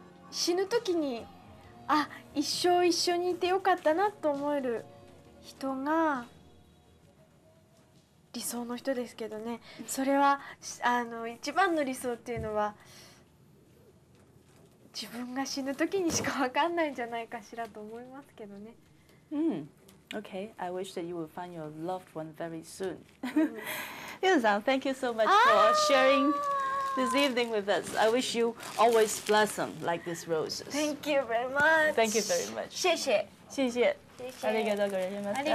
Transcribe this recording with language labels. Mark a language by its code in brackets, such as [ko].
[ja] 死ぬ時にあ一生一緒にいてよかったなと思える人が理想の人ですけどね。それはあの一番の理想っていうのは自分が死ぬ時にしか分かんないんじゃないかしらと思いますけどね。 [en] うん、Okay, I wish that you will find your loved one very soon. Yuzan, thank you so much for sharing. This evening with us. I wish you always blossom like this roses. Thank you very much. Thank you very much. [zh] 谢谢。谢谢。 [ja] ありがとうございました。